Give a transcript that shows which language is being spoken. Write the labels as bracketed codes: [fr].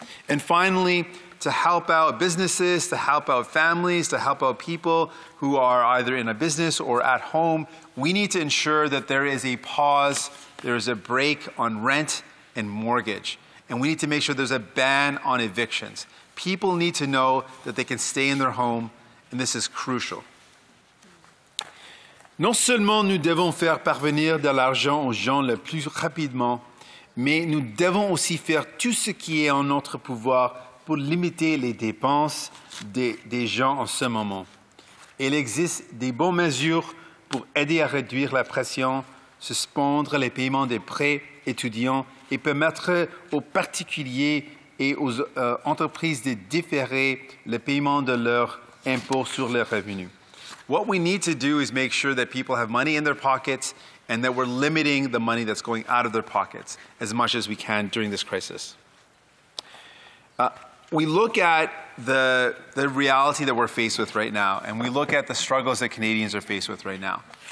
[en] And finally, to help out businesses, to help out families, to help out people who are either in a business or at home, we need to ensure that there is a pause, there is a break on rent and mortgage. And we need to make sure there's a ban on evictions. People need to know that they can stay in their home, and this is crucial. [fr] Non seulement nous devons faire parvenir de l'argent aux gens le plus rapidement, mais nous devons aussi faire tout ce qui est en notre pouvoir pour limiter les dépenses des gens en ce moment. Il existe des bonnes mesures pour aider à réduire la pression, suspendre les paiements des prêts étudiants et permettre aux particuliers et aux entreprises de différer le paiement de leur impôt sur le revenu. [en] What we need to do is make sure that people have money in their pockets and that we're limiting the money that's going out of their pockets as much as we can during this crisis. We look at the reality that we're faced with right now, and we look at the struggles that Canadians are faced with right now.